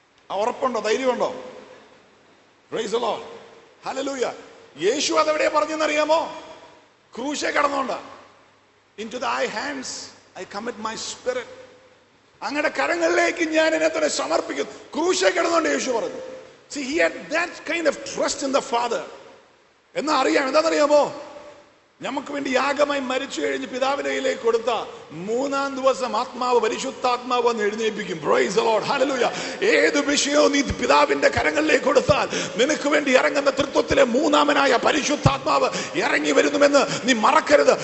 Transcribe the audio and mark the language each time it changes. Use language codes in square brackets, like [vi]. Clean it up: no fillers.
[ml] ഉറപ്പുണ്ടോ? ധൈര്യമുണ്ടോ? [en] Praise the Lord. [ml] Hallelujah. യേശു അതെവിടെ പറഞ്ഞെന്ന് അറിയാമോ? ക്രൂശേ കടന്നുകൊണ്ട്, [en] Into thy hands I commit my spirit. [ml] അങ്ങയുടെ കരങ്ങളിലേക്ക് ഞാൻ എന്നെ തന്നെ സമർപ്പിക്കും. ക്രൂശേ കിടന്നുകൊണ്ട് യേശു പറഞ്ഞു. [en] See, he had that kind of trust in the Father. [ml] എന്ന് അറിയാം, എന്താണെന്നറിയാമോ? നമുക്ക് വേണ്ടി യാഗമായി മരിച്ചു കഴിഞ്ഞ് പിതാവിന്റെ കയ്യിലേക്ക് കൊടുത്ത മൂന്നാം ദിവസം ആത്മാവ്, പരിശുദ്ധാത്മാവ് വന്ന് എഴുന്നേൽപ്പിക്കും. [en] Praise the Lord. [ml] ഹല്ലേലൂയ. ഏത് വിഷയവും നീ പിതാവിന്റെ കരങ്ങളിലേക്ക് കൊടുത്താൽ നിനക്ക് വേണ്ടി ഇറങ്ങുന്ന തൃത്വത്തിലെ മൂന്നാമനായ പരിശുദ്ധാത്മാവ് ഇറങ്ങി വരുന്നുവെന്ന് നീ മറക്കരുത്.